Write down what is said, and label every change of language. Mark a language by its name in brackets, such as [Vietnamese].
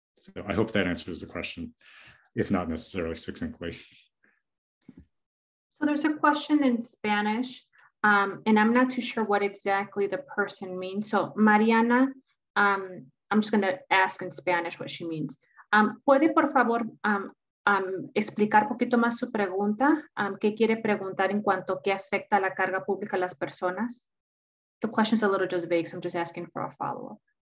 [English] So I hope that answers the question, if not necessarily succinctly. So there's a question in Spanish, and I'm not too sure what exactly the person means. So Mariana, I'm just going to ask in Spanish what she means. [Spanish] ¿Puede, por favor, explicar poquito más su pregunta? ¿Qué quiere preguntar en cuanto que afecta la carga pública a las personas? [English] The question is a little just vague, so I'm just asking for a follow-up.